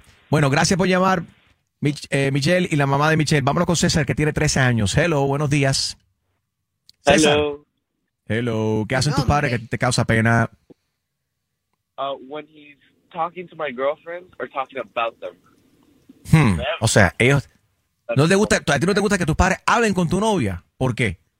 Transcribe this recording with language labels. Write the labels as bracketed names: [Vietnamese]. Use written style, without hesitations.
[Spanish] Bueno, gracias por llamar, Michelle y la mamá de Michelle. Vámonos con César, que tiene 13 años. [English] Hello, [Spanish] buenos días. [English] César. Hello. Hello. [Spanish] ¿Qué hacen tus padres que te causa pena? [English] When he's talking to my girlfriend or talking about them. [Spanish] O sea, ellos. No les gusta, ¿a ti no te gusta que tus padres hablen con tu novia? ¿Por qué?